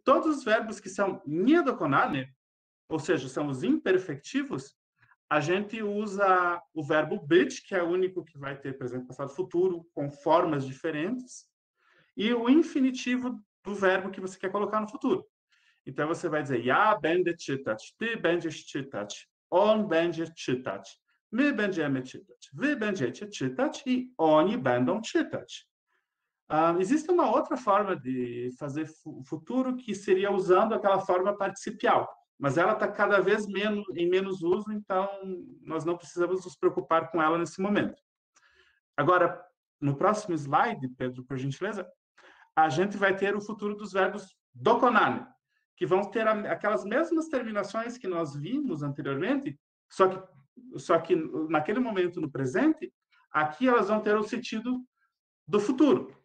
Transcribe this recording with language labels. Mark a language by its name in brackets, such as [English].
[Portuguese] Todos os verbos que são nie dokonane, ou seja, são os imperfectivos, a gente usa o verbo być, que é o único que vai ter presente, passado, futuro, com formas diferentes, e o infinitivo do verbo que você quer colocar no futuro. Então, você vai dizer [Polish] ja będę czytać, ty będziesz czytać, on będzie czytać, my będziemy czytać, wy będziecie czytać i oni będą czytać. [Portuguese] Existe uma outra forma de fazer futuro que seria usando aquela forma participial, mas ela está cada vez em menos uso, então nós não precisamos nos preocupar com ela nesse momento. Agora, no próximo slide, Pedro, por gentileza, a gente vai ter o futuro dos verbos dokonane, que vão ter aquelas mesmas terminações que nós vimos anteriormente, só que naquele momento, no presente, aqui elas vão ter o sentido do futuro.